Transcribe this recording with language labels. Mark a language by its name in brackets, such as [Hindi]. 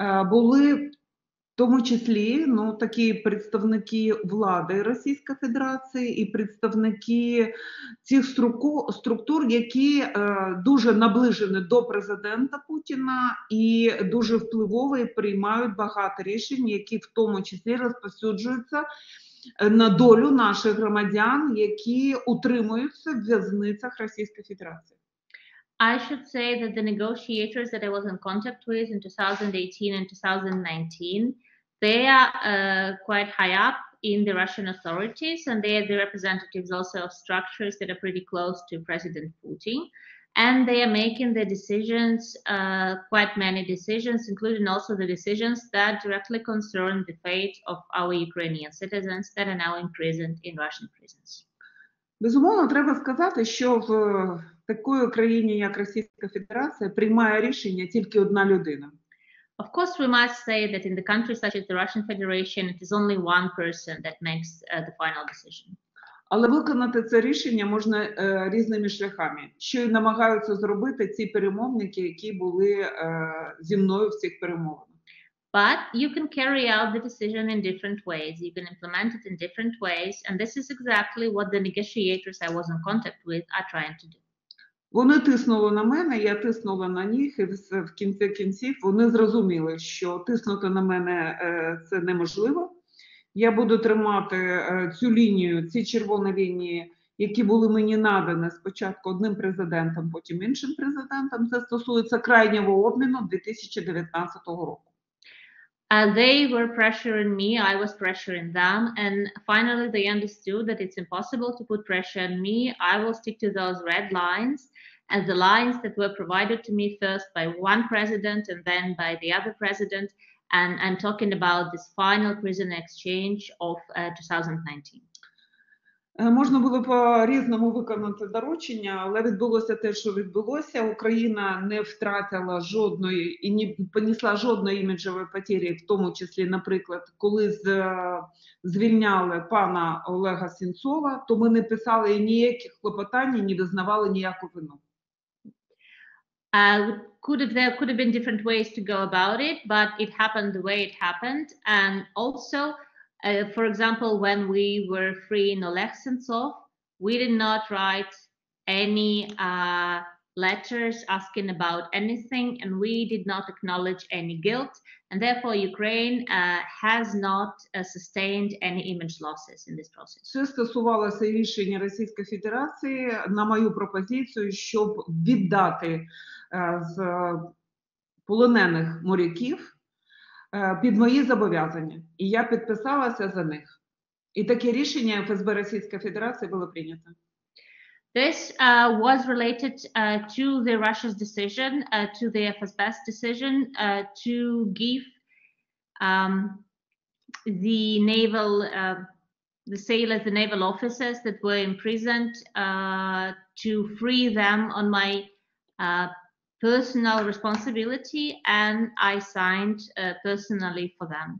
[Ukrainian] були в тому числі, ну, такі представники влади Російської Федерації і представники цих структур, які дуже наближені до президента Путіна і дуже впливові, приймають багато рішень, які в тому числі розповсюджуються на долю наших громадян, які утримуються в в'язницях Російської Федерації. [English] I should say that the negotiators that I was in contact with in 2018 and 2019, they are quite high up in the Russian authorities, and they are the representatives also of structures that are pretty close to President Putin. And they are making the decisions, quite many decisions, including also the decisions that directly concern the fate of our Ukrainian citizens that are now imprisoned in Russian prisons. [Ukrainian] Безумовно, треба сказати, що в такій країні, як Російська Федерація, приймає рішення тільки одна людина. [English] Of course, we must say that in the country such as the Russian Federation, it is only one person that makes the final decision. [Ukrainian] Але виконати це рішення можна різними шляхами, що й намагаються зробити ці перемовники, які були зі мною в цих перемовах. [English] But you can carry out the decision in different ways. You can implement it in different ways. And this is exactly what the negotiators I was in contact with are trying to do. [Ukrainian] Вони тиснули на мене, я тиснула на них, і в кінці кінців вони зрозуміли, що тиснути на мене це неможливо. Я буду тримати цю лінію, ці червоні лінії, які були мені надані спочатку одним президентом, потім іншим президентом. Це стосується крайнього обміну 2019 року. [English] They were pressuring me, I was pressuring them, and finally they understood that it's impossible to put pressure on me. I will stick to those red lines, and the lines that were provided to me first by one president and then by the other president, and I'm talking about this final prisoner exchange of 2019. [Ukrainian] Можна було по-різному виконати доручення, але відбулося те, що відбулося. Україна не втратила жодної і не понесла жодної іміджової потері, в тому числі, наприклад, коли звільняли пана Олега Сінцова, то ми не писали ніяких клопотань, не визнавали ніяку вину. [English] Could have been different ways to go about it, but it happened the way it happened. And also, for example, when we were freeing Oleg Sentsov, we did not write any letters asking about anything, and we did not acknowledge any guilt. And therefore, Ukraine has not sustained any image losses in this process. [Ukrainian] Це стосувалося рішення Російської Федерації на мою пропозицію, щоб віддати з полонених моряків під мої зобов'язання, і я підписалася за них. І таке рішення ФСБ Російської Федерації було прийнято. [English] This was related to the Russia's decision, to the FSB's decision to give the naval, the sailors, the naval officers that were imprisoned, to free them on my personal responsibility, and I signed personally for them.